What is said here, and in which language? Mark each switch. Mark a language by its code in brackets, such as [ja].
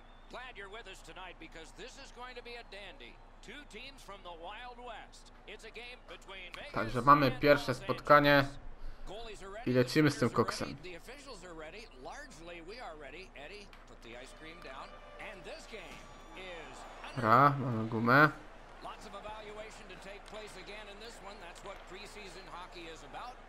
[en] Glad you're with us tonight because this is going to be a dandy. Two teams from the Wild West. It's a game between Vegas. [pl] Także mamy pierwsze spotkanie i lecimy z tym koksem. [en] The officials are ready. Largely we are ready. Eddie, put the ice cream down. And this game is [pl] Ra, mamy gumę. [en] Lots of evaluation to take place again in this one. That's what preseason hockey is about.